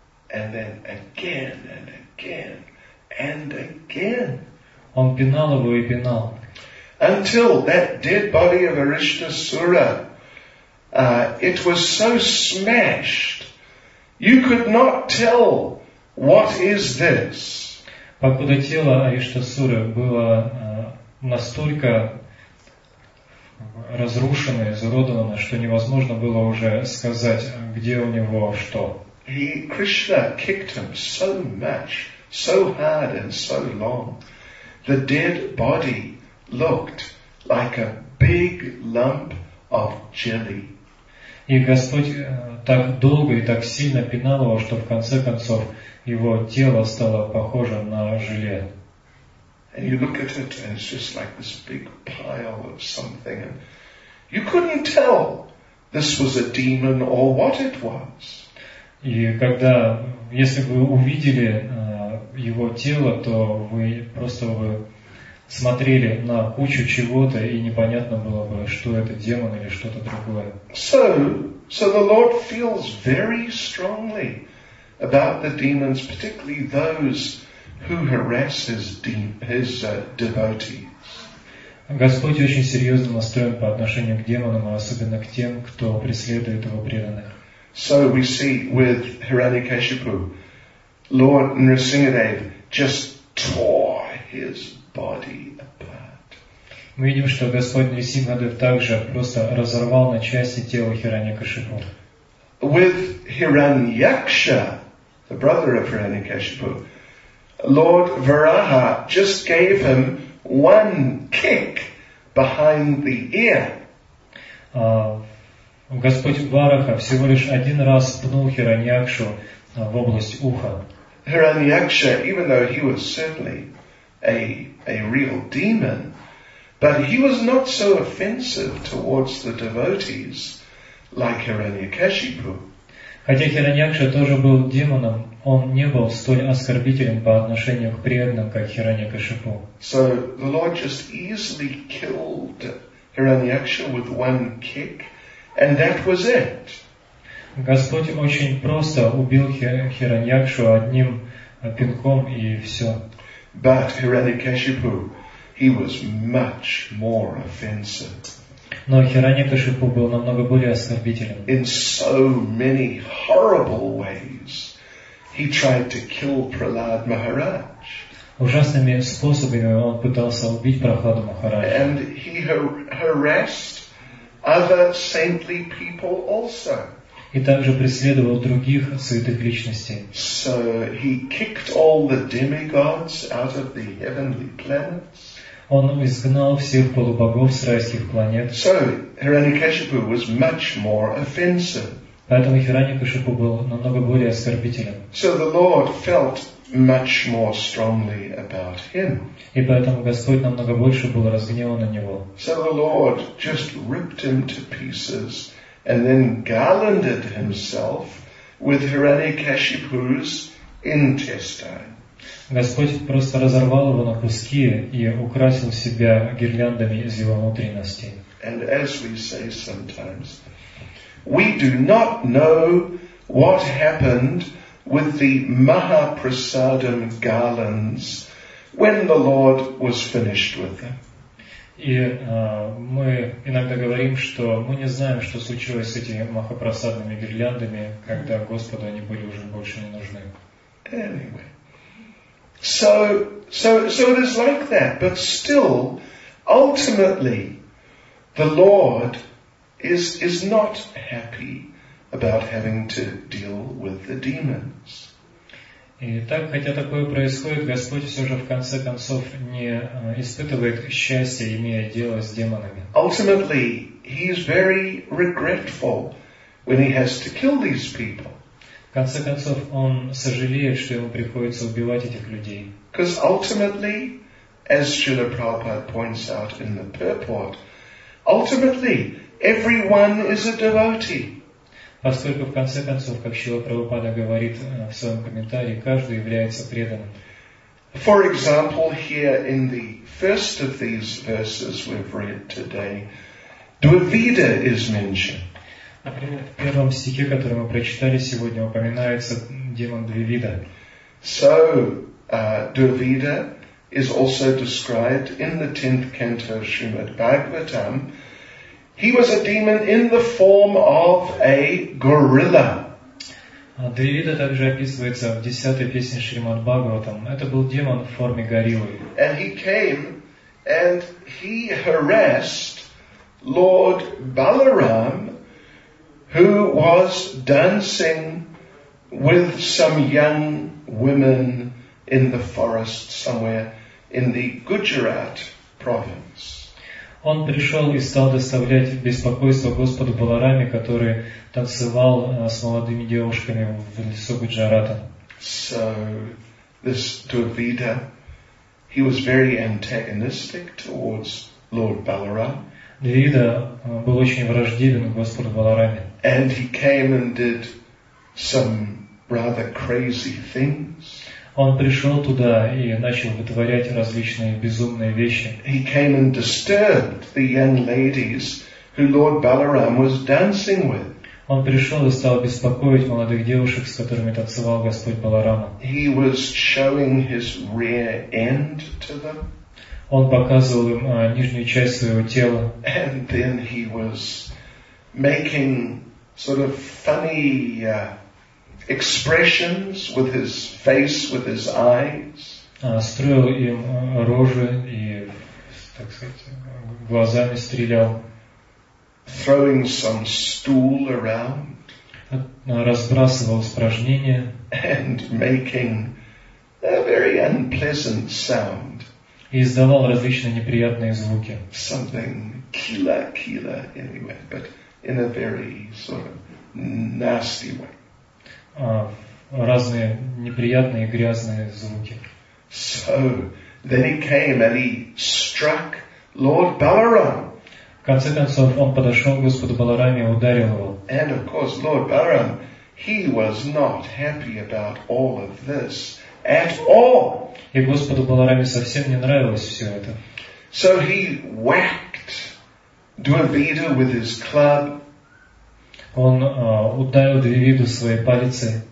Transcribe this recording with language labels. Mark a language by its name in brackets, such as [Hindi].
[English] And then again and again and again. [Russian] Он пинал его и пинал. [English] Until that dead body of Arishtasura, it was so smashed, you could not tell what is this. [Russian] Покуда тело Арештасуры было настолько разрушено, изуродовано, что невозможно было уже сказать, где у него что. [English] Krishna kicked him so much, so hard and so long, the dead body looked like a big lump of jelly. [Russian] И Господь так долго и так сильно пинал его, что в конце концов его тело стало похоже на желе. [English] And you look at it and it's just like this big pile of something. And you couldn't tell this was a demon or what it was. [Russian] И когда, если бы вы увидели его тело, то вы просто бы смотрели на кучу чего-то, и непонятно было бы, что это демон или что-то другое. [English] So the Lord feels very strongly about the demons, particularly those who harass his devotees. [Russian] Господь очень серьезно настроен по отношению к демонам, а особенно к тем, кто преследует его преданных. [English] So we see with Hiranyakashipu, Lord Nrisimhadev just tore his body apart. [Russian] Мы видим, что Господь Нрисимхадев также просто разорвал на части тело Хираньякашипу. [English] With Hiranyaksha, the brother of Hiranyakashipu, Lord Varaha just gave him one kick behind the ear. [Russian] Господь Вараха всего лишь один раз пнул Хираньякшу в область уха. [English] Hiranyaksha, even though he was certainly a real demon, but he was not so offensive towards the devotees like Hiranyakashipu. [Russian] Хотя Хираньякша тоже был демоном, он не был столь оскорбителем по отношению к преданным, как Хиранья-кашипу. [English] So the Lord just easily killed Hiranyaksha with one kick, and that was it. [Russian] Господь очень просто убил Хираньякшу одним пинком, и все. [English] But Hiranyakashipu, he was much more offensive. [Russian] Но Хиранья-кашипу был намного более оскорбителен. [English] In so many horrible ways, he tried to kill Prahlad Maharaj. [Russian] Ужасными способами он пытался убить Прахладу Махараджа. [English] And he harassed other saintly people also. [Russian] И также преследовал других святых личностей. [English] So he kicked all the demigods out of the heavenly planets. [Russian] Он изгнал всех полубогов с райских планет. [English] So Hiranyakashipu was much more offensive. [Russian] Поэтому Хиранья-кашипу был намного более оскорбителен. [English] So the Lord felt much more strongly about him. [Russian] И поэтому Господь намного больше был разгневан на него. [English] So the Lord just ripped him to pieces and then garlanded himself with Hiranyakashipu's intestine. [Russian] Господь просто разорвал его на куски и украсил себя гирляндами из его внутренности. [English] And as we say sometimes, we do not know what happened with the Mahaprasadam garlands when the Lord was finished with them. [Russian] И мы иногда говорим, что мы не знаем, что случилось с этими махапрасадными гирляндами, когда Господу они были уже больше не нужны. [English] Anyway. So it is like that, but still, ultimately, the Lord is not happy about having to deal with the demons. [Russian] И так, хотя такое происходит, Господь все же в конце концов не испытывает счастья, имея дело с демонами. [English] Ultimately, he is very regretful when he has to kill these people. [Russian] В конце концов, он сожалеет, что ему приходится убивать этих людей. [English] Because ultimately, as Srila Prabhupada points out in the purport, ultimately, everyone is a devotee. [Russian] Поскольку, в конце концов, как Шрила Прабхупада говорит в своем комментарии, каждый является преданным. [English] For example, here in the first of these verses we've read today, Dvivida is mentioned. [Russian] Например, в первом стихе, который мы прочитали сегодня, упоминается демон Двивида. [English] So, Двивида is also described in the 10th canto of Srimad Bhagavatam. He was a demon in the form of a gorilla. [Russian] Двивида также описывается в 10-й песне Шримад Бхагаватам. Это был демон в форме гориллы. [English] And he came and he harassed Lord Balaram, who was dancing with some young women in the forest somewhere in the Gujarat province. [Russian] Он пришел и стал доставлять беспокойство Господу Баларами, который танцевал с молодыми девушками в лесу Гуджарата. [English] So, this Dvivida, he was very antagonistic towards Lord Balaram. [Russian] Двивида был очень враждебен к Господу Баларами. [English] And he came and did some rather crazy things. [Russian] Он пришел туда и начал вытворять различные безумные вещи. [English] He came and disturbed the young ladies who Lord Balaram was dancing with. [Russian] Он пришел и стал беспокоить молодых девушек, с которыми танцевал Господь Баларама. [English] He was showing his rear end to them. [Russian] Он показывал им нижнюю часть своего тела. [English] And then he was making sort of funny expressions with his face, with his eyes. [Russian] Строил им рожи и, так сказать, глазами стрелял. [English] Throwing some stool around. [Russian] разбрасывал упражнения. [English] And making a very unpleasant sound. [Russian] И издавал различные неприятные звуки. [English] Something kila kila anyway, but in a very sort of nasty way. [Russian] Разные неприятные грязные звуки. [English] So then he came and he struck Lord Balaram. [Russian] В конце концов он подошел к Господу Балараме и ударил его. [English] And of course Lord Balaram, he was not happy about all of this at all. [Russian] И Господу Балараме совсем не нравилось все это. [English] So he whacked Дурбиду with his club. [Russian] Он ударил Дурбиду своей палицей.